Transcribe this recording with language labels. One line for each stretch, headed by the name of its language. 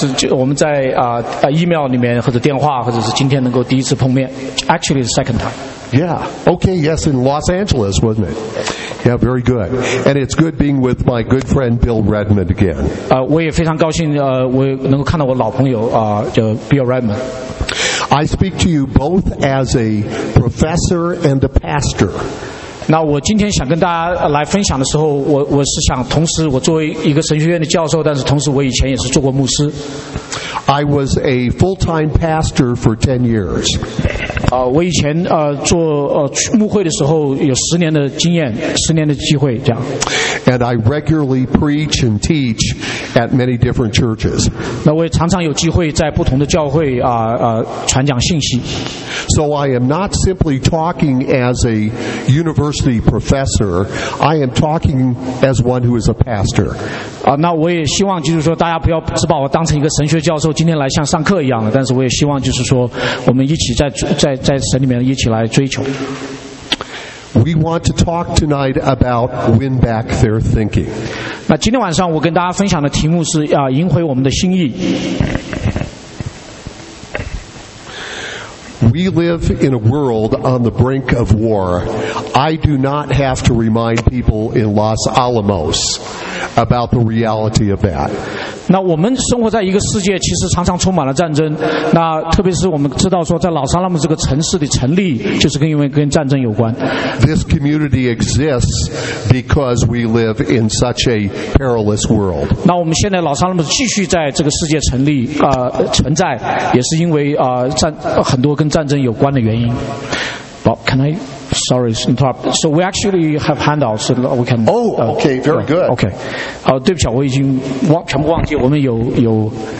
Chinese: 我们在email 里面或者电话或者是今天能够第一次碰面。
English: Actually, the second time. Yeah. Okay, yes, in Los Angeles, wasn't it? Yeah, very good. And it's good being with my good friend Bill Redmond again.
Chinese: 我也非常高兴我能够看到我老朋友叫 Bill Redmond.
English: I speak to you both as a professor and a pastor.
Chinese: 那我今天想跟大家来分享的时候，我是想同时我作为一个神学院的教授，但是同时我以前也是做过牧师。
English: I was a full-time pastor for 10 years.
Chinese: 我以前做牧会的时候有十年的经验，十年的机会这样。
English: And I regularly preach and teach at many different churches.
Chinese: 那我也常常有机会在不同的教会传讲信息。
English: So I am not simply talking as a university professor. I am talking as one who is a pastor.
Chinese: 那我也希望就是说大家不要只把我当成一个神学教授，今天来像上课一样的。但是我也希望就是说我们一起在神里面一起来追求。
English: We want to talk tonight about win back their thinking.
Chinese: 那今天晚上我跟大家分享的题目是赢回我们的心意。
English: We live in a world on the brink of war. I do not have to remind people in Los Alamos about the reality of that.
Chinese: 那我们生活在一个世界，其实常常充满了战争。那特别是我们知道说，在老萨拉姆这个城市的成立，就是跟因为跟战争有关。
English: This community exists because we live in such a perilous world.
Chinese: 那我们现在老萨拉姆继续在这个世界成立，存在，也是因为很多跟战争有关的原因。
English: Bob, can I? Sorry, interrupt. So we actually have handouts so we can. Oh, okay, very good. Okay.
Chinese: 对不起，我已经忘全部忘记。我们有